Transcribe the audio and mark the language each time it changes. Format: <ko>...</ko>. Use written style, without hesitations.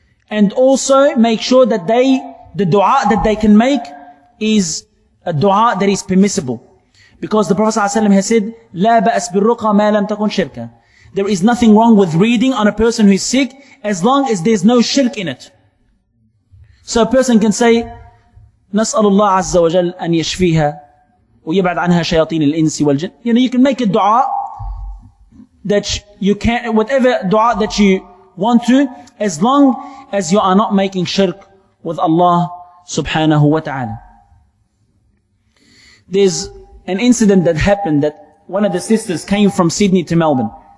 <en>And also make sure that the dua that they can make is a dua that is permissible. Because the Prophet sallallahu alaihi wasallam has said,</en> <ar>لا بأس بالرقى ما لم تكن شركا.</ar> <en>There is nothing wrong with reading on a person who is sick as long as there's no shirk in it. So a person can say,</en> <ar>نسأل الله عز وجل أن يشفيها ويبعد عنها شياطين الإنس والجن.</ar> <en>You know, you can make a dua that you can, whatever dua that you want to, as long as you are not making shirk with Allah subhanahu wa ta'ala. There's an incident that happened that one of the sisters came from Sydney to Melbourne.</en>